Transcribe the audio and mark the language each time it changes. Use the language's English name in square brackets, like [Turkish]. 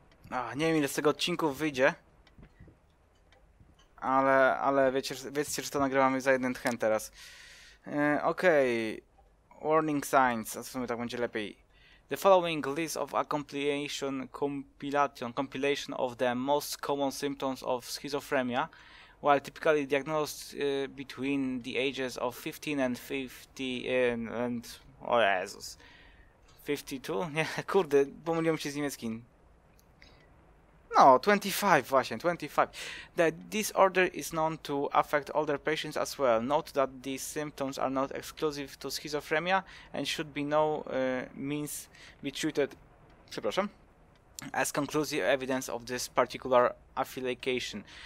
[Polish] A, nie wiem ile z tego odcinku wyjdzie. Ale wiecie, że to nagrywamy za jeden tchem teraz. Okej. Okay. [English] Warning signs, [Polish] a w sumie tak będzie lepiej. [English] The following list of accompliation compilation of the most common symptoms of schizophrenia while typically diagnosed between the ages of 15 and 50 and [Polish] o Jezus [English] 52? [Polish] Nie, kurde, pomyliłem się z niemieckim. No, 25 właśnie, 25. [English] The disorder is known to affect older patients as well. Note that these symptoms are not exclusive to schizophrenia and should be no means be treated, [Polish] przepraszam, [English] as conclusive evidence of this particular affiliation.